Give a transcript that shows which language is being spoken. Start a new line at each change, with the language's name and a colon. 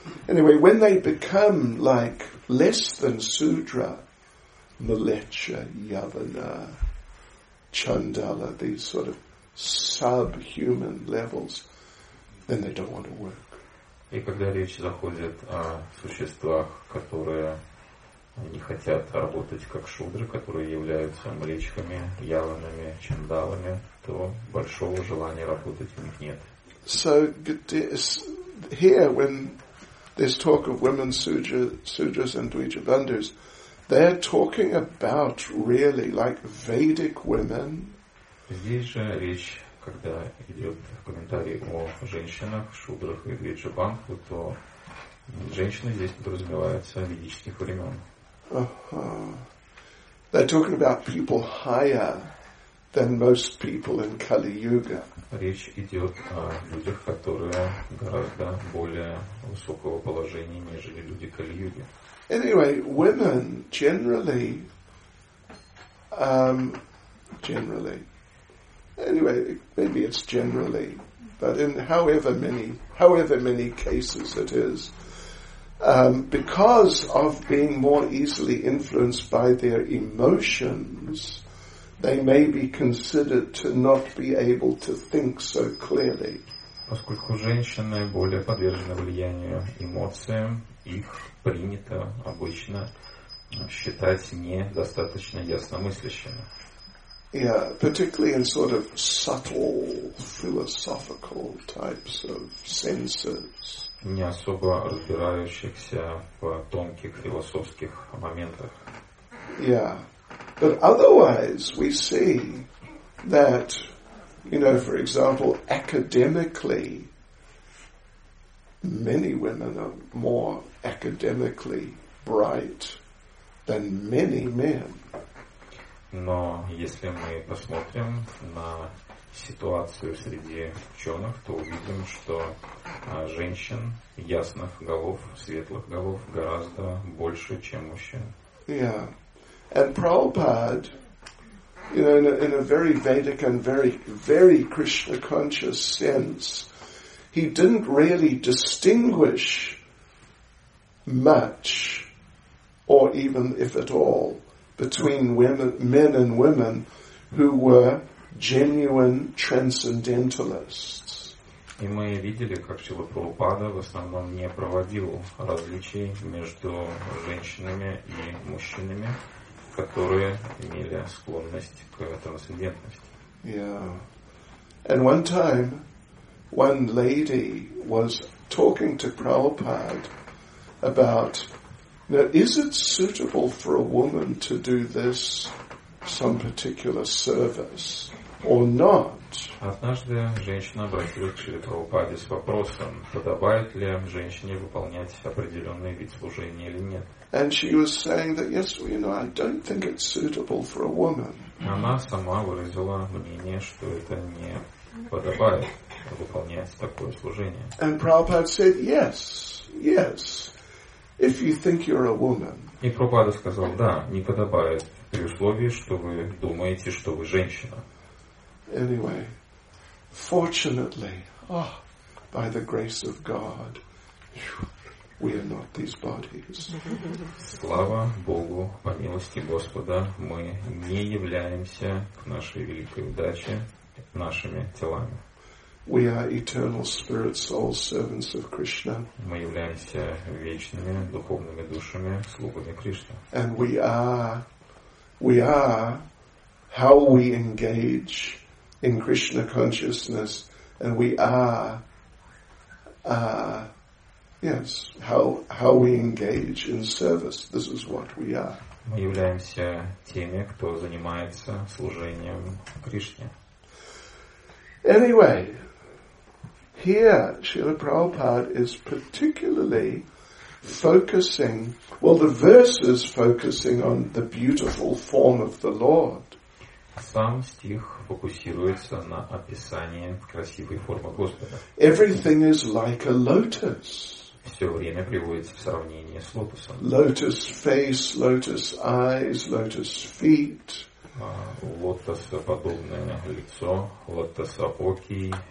English: Anyway, when they become like less than sudra, malecha, yavana, chandala, these sort of subhuman levels, then they don't want to work.
Russian: И когда речь заходит о существах, которые не хотят работать как шудры, которые являются млечками, яванами, чандалами, то большого желания работать у них нет.
English: So here, when there's talk of women sudras and dvijabandhus, they're talking about really like Vedic women.
Russian: Здесь же речь, когда идет комментарий о женщинах, шудрах и двиджабандху, то женщины здесь подразумеваются ведических времен.
English: They're talking about people higher than most people in Kali Yuga.
Russian: Речь идет о людях, которые гораздо более высокого положения, нежели люди Кали Юги.
English: Anyway, women generally, however many cases it is. Because of being more easily influenced by their emotions, they may be considered to not be able to think so clearly.
Russian: Поскольку женщины более подвержены влиянию эмоциям, их принято обычно считать недостаточно ясномыслящими.
English: Yeah, particularly in sort of subtle philosophical types of senses.
Russian: Не особо разбирающихся в тонких философских моментах.
English: Yeah, but otherwise we see that, you know, for example, academically, many women are more academically bright than many men.
Russian: Но если мы посмотрим на ситуацию среди ученых, то увидим, что женщин ясных голов, светлых голов гораздо больше, чем мужчин.
English: Yeah. And Prabhupada, you know, in a very Vedic and very, very Krishna conscious sense, he didn't really distinguish much, or even if at all, between women, men and women who were genuine transcendentalists.
Russian: И мы видели, как Шрила Прабхупада в основном не проводил различий между женщинами и мужчинами, которые имели склонность к трансцендентности.
English: Yeah. And one time one lady was talking to Prabhupada about, now, is it suitable for a woman to do this, some particular service, or not?
Russian: Однажды женщина обратилась к Шриле Прабхупаде с вопросом, подобает ли женщине выполнять определенный вид служения или нет.
English: And she was saying that, yes, well, you know, I don't think it's suitable for a woman.
Russian: Она сама выразила мнение, что это не подобает выполнять такое служение.
English: And Prabhupada said, yes, yes. If you think you're a woman.
Russian: И Прабхупада сказал, да, не подобает, при условии, что вы думаете, что вы женщина.
English: Anyway, fortunately, oh, by the grace of God, we are not these bodies.
Russian: Слава Богу, по милости Господа, мы не являемся к нашей великой удаче нашими телами.
English: We are eternal spirit soul servants of Krishna.
Russian: Мы являемся вечными духовными душами, слугами Кришны.
English: And we are how we engage in Krishna consciousness, and we are yes, how we engage in service. This is what we are.
Russian: Мы являемся теми, кто занимается служением Кришне.
English: Anyway, here, Srila Prabhupada is particularly focusing, well, the verse is focusing on the beautiful form of the Lord.
Russian: Сам стих фокусируется на описании красивой формы Господа.
English: Everything is like a lotus.
Russian: Все время приводится в сравнение с лотосом.
English: Lotus face, lotus eyes, lotus feet.
Russian: Лотосоподобное лицо, лотосоокий.